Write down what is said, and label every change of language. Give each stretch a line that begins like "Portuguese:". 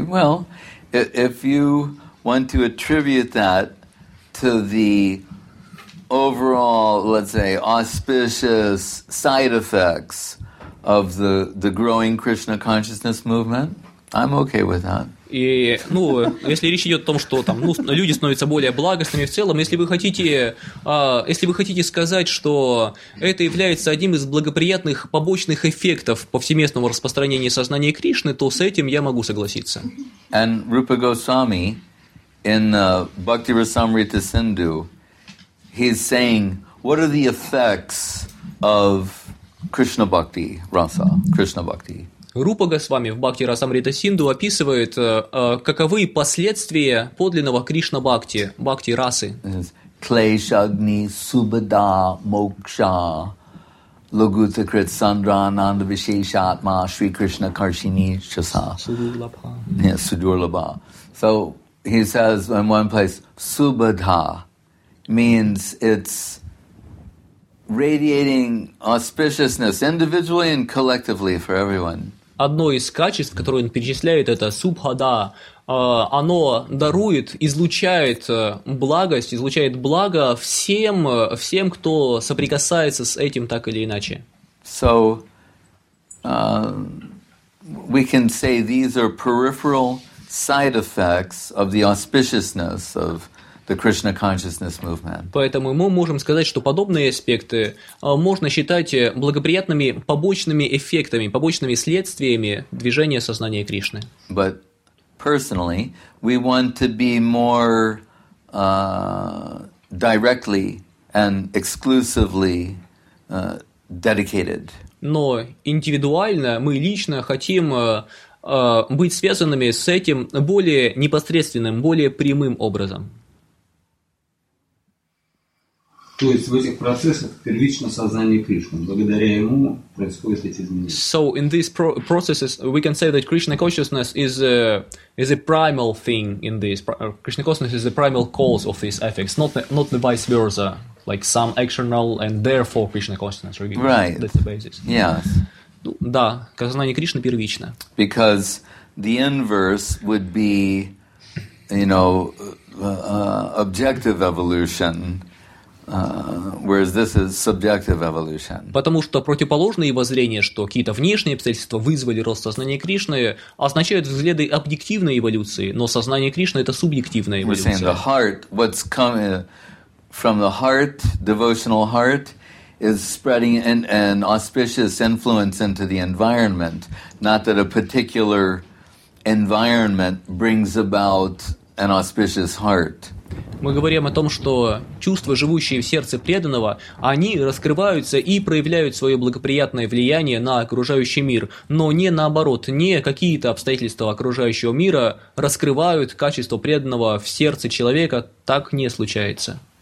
English: Well, if you want to attribute that to the overall, let's say, auspicious side effects of the growing Krishna consciousness movement, I'm okay with that.
Russian: И, ну, если речь идет о том, что там, ну, люди становятся более благостными в целом, если вы хотите сказать, что это является одним из благоприятных побочных эффектов повсеместного распространения сознания Кришны, то с этим я могу согласиться.
English: And Rupa Goswami in Bhakti Rasamrita Sindhu, he's saying, what are the effects of Krishna Bhakti Rasa, Krishna Bhakti?
Russian: Рупа Госвами в Бхакти Расамрита Синду описывает, каковы последствия подлинного Кришна Бхакти, Бхакти Расы.
Sanskrit: Клешагни, Субада, Мокша, Лагута Крит Сандра, Ананда Вишешатма, Шри Кришна Каршини, Шаса. Судурлаба.
English: Yes, Судурлаба. So he says in one place, Субада means it's radiating auspiciousness individually and collectively for everyone.
Russian: Одно из качеств, которое он перечисляет, это субхада. Оно дарует, излучает благость, излучает благо всем, кто соприкасается с этим так или иначе.
English: So, we can say these are peripheral side effects of the auspiciousness of the Krishna consciousness movement.
Russian: Поэтому мы можем сказать, что подобные аспекты можно считать благоприятными побочными эффектами, побочными следствиями движения сознания Кришны.
English: But personally, we want to be more directly and exclusively dedicated.
Russian: Но индивидуально мы лично хотим быть связанными с этим более непосредственным, более прямым образом. То есть в этих процессах первично сознание Кришны. Благодаря ему происходят эти изменения.
English: So in these processes we can say that Krishna consciousness is a primal thing in this. Krishna consciousness is the primal cause of these effects, not the vice versa, like some external and therefore Krishna consciousness. Right. That's the basis. Yes.
Russian: Да, сознание Кришны первично.
English: Because the inverse would be, you know, objective evolution. Whereas this is subjective evolution.
Russian: Потому что противоположные воззрения, что какие-то внешние обстоятельства вызвали рост сознания Кришны, означают взгляды объективной эволюции, но сознание Кришны – это субъективная эволюция.
English: We're saying the heart, what's coming from the heart, devotional heart, is spreading an auspicious influence into the environment, not that a particular environment brings about an auspicious heart.
Russian: Мы говорим о том, что чувства, живущие в сердце преданного, они раскрываются и проявляют свое благоприятное влияние на окружающий мир, но не наоборот, не какие-то обстоятельства окружающего мира раскрывают качество преданного в сердце человека, так не случается.